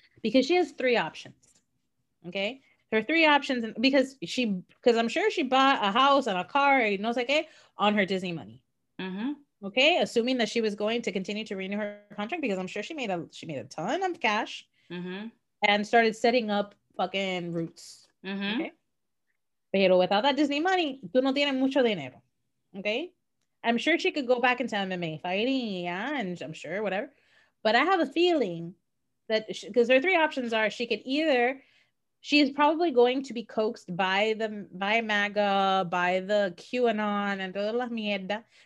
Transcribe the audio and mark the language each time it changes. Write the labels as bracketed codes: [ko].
[en] Because she has three options. Okay. Her three options, because I'm sure she bought a house and a car, you know, okay, on her Disney money. Mm-hmm. Okay. Assuming that she was going to continue to renew her contract, because I'm sure she made a ton of cash, mm-hmm. and started setting up fucking roots. Mm-hmm. [es] Okay. Pero [en] without that Disney money, [es] tú no tienes mucho dinero. [en] Okay. I'm sure she could go back into MMA fighting, and I'm sure whatever. But I have a feeling that because her three options are, she is probably going to be coaxed by MAGA, by the QAnon, and [es] toda la mierda.